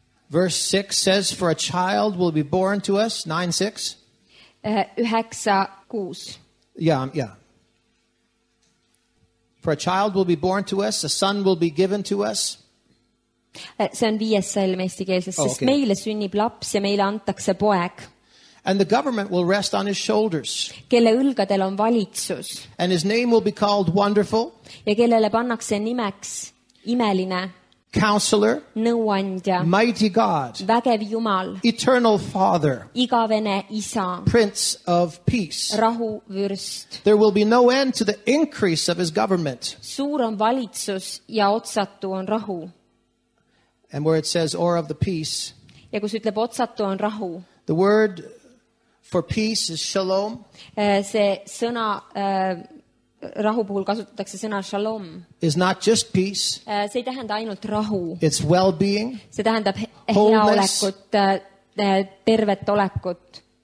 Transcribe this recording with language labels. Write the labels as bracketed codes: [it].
[en] Verse 6 says, for a child will be born to us, 9:6. [et] 9:6. [en] Yeah, yeah. For a child will be born to us, a son will be given to us. [et] See on viies salm eesti keeles, sest meile sünnib laps ja meile antakse poeg. [en] And the government will rest on his shoulders. [et] Kelle õlgadel on valitsus. [en] And his name will be called Wonderful. [et] Ja kellele pannakse nimeks imeline. [en] Counselor, [et] Nõuandja, [en] Mighty God, [et] Vägev Jumal, [en] Eternal Father, [et] Igavene Isa, [en] Prince of Peace, [et] Rahuvürst. [en] There will be no end to the increase of his government. [et] Suur on valitsus ja otsatu on rahu. [en] And where it says, or of the peace, [et] ja kus ütleb, otsatu on rahu. [en] The word for peace is shalom. [et] See sõna... Rahu puhul kasutatakse sõna shalom. [en] Is not just peace. [et] See ei tähenda ainult rahu. [en] It's well-being. [et] See tähendab heaolekut, tervet olekut.